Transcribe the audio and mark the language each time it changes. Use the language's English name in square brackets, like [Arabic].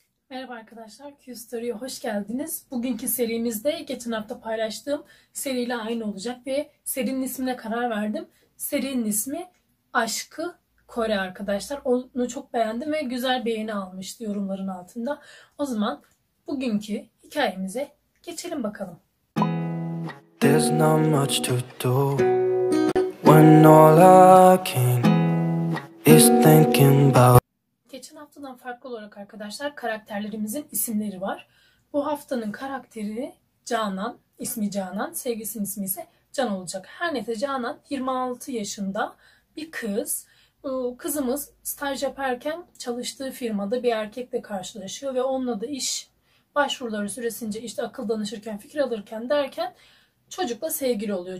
[Turkish] Merhaba arkadaşlar, Q-Story'e hoş geldiniz. Bugünkü serimizde geçen hafta paylaştığım seriyle aynı olacak ve serinin ismine karar verdim. Serinin ismi Aşkı Kore arkadaşlar. Onu çok beğendim ve güzel beğeni almış yorumların altında. O zaman bugünkü hikayemize geçelim bakalım. [English] There's not much to do when all I can is thinking about. [Turkish] Geçen haftadan farklı olarak arkadaşlar karakterlerimizin isimleri var. Bu haftanın karakteri Canan, ismi Canan, sevgilisinin ismi ise Can olacak. Her neyse Canan 26 yaşında bir kız. Kızımız staj yaparken çalıştığı firmada bir erkekle karşılaşıyor ve onunla da iş başvuruları süresince işte akıl danışırken, fikir alırken derken çocukla sevgili oluyor.